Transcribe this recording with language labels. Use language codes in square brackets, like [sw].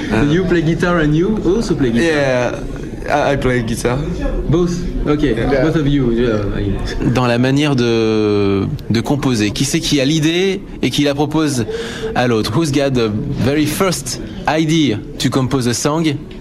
[en] You play guitar and you also play guitar? Yeah, I play guitar. Both? Ok, yeah. Both of you. [fr] Dans la manière de composer, qui c'est qui a l'idée et qui la propose à l'autre? [en] Who's got the very first idea to compose a song?